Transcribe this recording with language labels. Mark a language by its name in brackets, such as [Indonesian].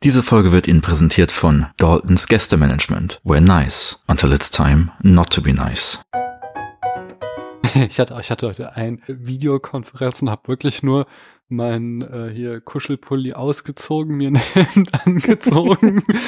[German] Diese Folge wird Ihnen präsentiert von Daltons Gästemanagement. [English] We're nice until it's time not to be nice. [German] Ich hatte heute eine Videokonferenz und habe wirklich nur meinen hier Kuschelpulli ausgezogen, mir ein Hemd angezogen.